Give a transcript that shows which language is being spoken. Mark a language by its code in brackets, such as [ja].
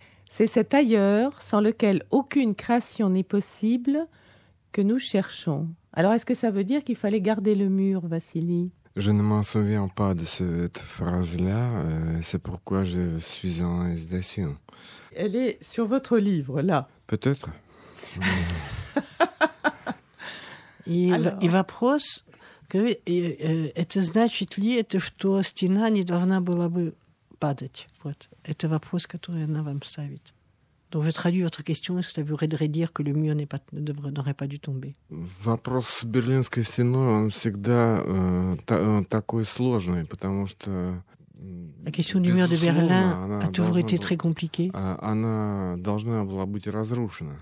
[fr] C'est cet ailleurs sans lequel aucune création n'est possible que nous cherchons. Alors, est-ce que ça veut dire qu'il fallait garder le mur, Vassili? Je ne m'en souviens pas de cette phrase-là. C'est pourquoi je suis en hésitation. Elle est sur votre livre, là. Peut-être. [ru] Ива Прос, это значит ли это, что стена не должна была бы падать? Вот. Это вопрос, который она вам ставит. [fr] Donc, je traduis votre question. Est-ce que ça voudrait dire que le mur n'aurait pas dû tomber? [ru] Вопрос с Берлинской стеной, он всегда такой сложный, потому что... [fr] La question du mur de Berlin a toujours été très compliquée. [ru] Она должна была быть разрушена.